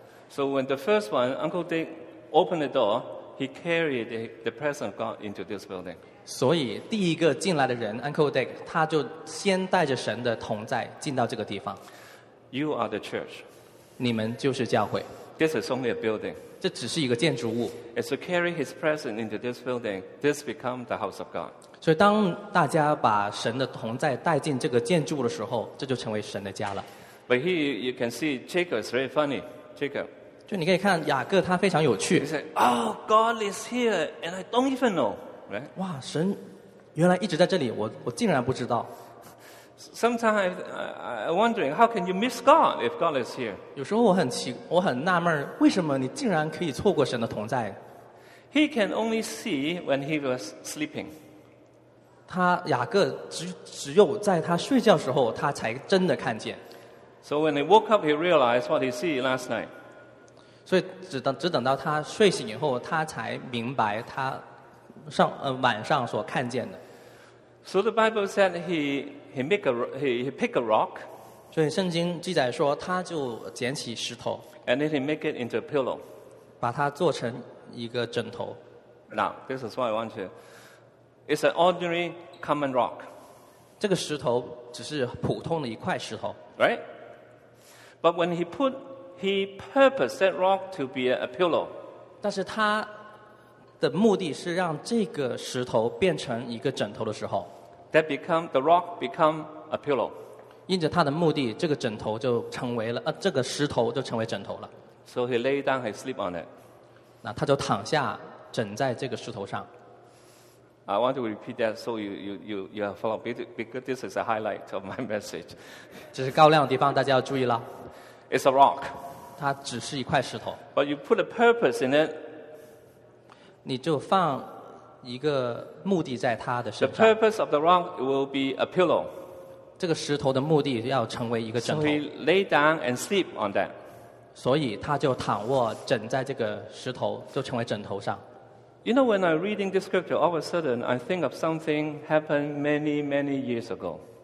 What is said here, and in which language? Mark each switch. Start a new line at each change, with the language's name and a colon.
English: So when the first one, Uncle Dick, opened the door. He carried the presence of God into this building.
Chinese: 所以第一个进来的人 Uncle Dick 他就先带着神的同在进到这个地方。
English: You are the church.
Chinese: 你们就是教会。
English: This is only a building.
Chinese: 这只是一个建筑物。
English: As you carry His presence into this building, this becomes the house of God.
Chinese: 所以当大家把神的同在带进这个建筑物的时候，这就成为神的家了。
English: But here you can see Jacob is very funny. Jacob.
Chinese: 就你可以看雅各他非常有趣。
English: He said, "Oh, God is here, and I don't even know." Right?
Chinese: 哇，神原来一直在这里，我竟然不知道。
English: Sometimes I wondering how can you miss God if God is here?
Chinese: 有时候我很纳闷，为什么你竟然可以错过神的同在
English: ？He can only see when he was sleeping.
Chinese: 他雅各只有在他睡觉时候，他才真的看见。
English: So when he woke up, he realized what he see last night.
Chinese: 所以只等到他睡醒以后，他才明白他上晚上所看见的。
English: So the Bible said he pick a rock.
Chinese: 所以圣经记载说，他就捡起石头。
English: And then he make it into a pillow.
Chinese: 把它做成一个枕头。
English: Now this is what I want to. It's an ordinary common rock.
Chinese: 这个石头只是普通的一块石头。
English: Right. But when he purposed that rock to be a pillow.
Chinese: 但是他的目的是让这个石头变成一个枕头的时候
English: ，that become the rock become a pillow。
Chinese: 因着他的目的，这个枕头就成为了这个石头就成为枕头了。
English: So he lay down, he sleep on it。
Chinese: 那他就躺下枕在这个石头上。
English: I want to repeat that so you have follow because this is a highlight of my message。
Chinese: 这是高亮的地方，大家要注意了。
English: It's a rock。
Chinese: 它只是一块石头。
English: But you put a purpose in it。
Chinese: 你就放一个目的在他的身上。
English: The purpose of the rock will be a pillow.
Chinese: 这个石头的目的要成为一个枕头。
English: So he lay down and sleep on that.
Chinese: 所以他就躺卧枕在这个石头，就成为枕头上。
English: You know, when I reading this scripture, all of a sudden I think of something happened many, many years ago.